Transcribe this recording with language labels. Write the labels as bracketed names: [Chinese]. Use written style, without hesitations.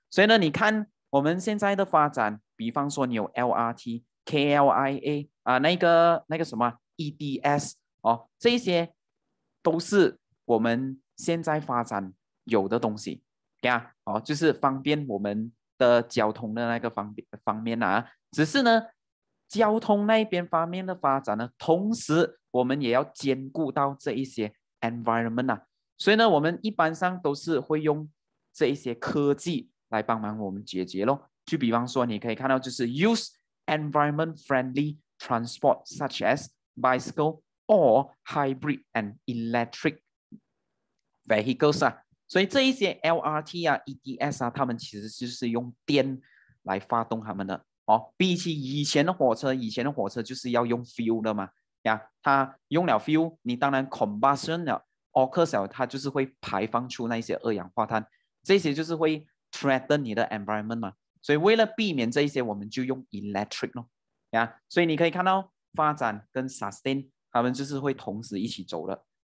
[Chinese] 所以呢，你看我们现在的发展，比方说你有 LRT、KLIA 啊，那个什么 EDS 哦，这些都是我们现在发展有的东西，对啊，哦，就是方便我们的交通的那个方面啊。只是呢，交通那边方面的发展呢，同时我们也要兼顾到这一些 environment 啊。所以呢，我们一般上都是会用这一些科技来帮忙我们解决咯。就比方说你可以看到就是 [English] use environment friendly transport such as bicycle or hybrid and electric vehicles 啊。 [Chinese] 所以这一些 LRT 啊 EDS 啊，他们其实就是用电来发动他们的哦。比起以前的火车就是要用 fuel 的嘛呀，它用了 fuel， 你当然 combustion 了，Occurs 它就是会排放出那些二氧化碳，这些就是会 threaten 你的 environment 嘛，所以为了避免这些我们就用 electric 咯，啊，所以你可以看到发展跟 sustain 他们就是会同时一起走的，